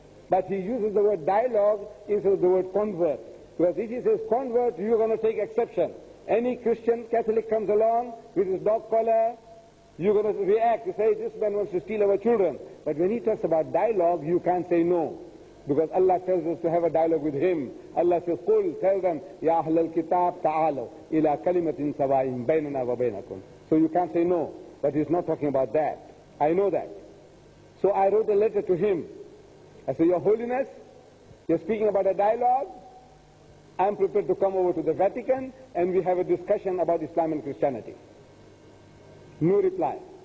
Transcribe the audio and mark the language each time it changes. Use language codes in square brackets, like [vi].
[en] But he uses the word dialogue instead of the word convert. Because if he says convert, you're going to take exception. Any Christian, Catholic comes along with his dog collar, you're going to react. You say, this man wants to steal our children. But when he talks about dialogue, you can't say no. Because Allah tells us to have a dialogue with him. [ar] Allah says, قُلْ [en] tell them, [ar] يَا أَهْلَ الْكِتَابِ تَعَالَوْ إِلَىٰ كَلِمَةٍ سَوَائِمْ بَيْنَنَا وَبَيْنَكُمْ. [en] So you can't say no. But he's not talking about that. I know that. So I wrote a letter to him. I said, Your Holiness, you're speaking about a dialogue. I'm prepared to come over to the Vatican and we have a discussion about Islam and Christianity. No reply.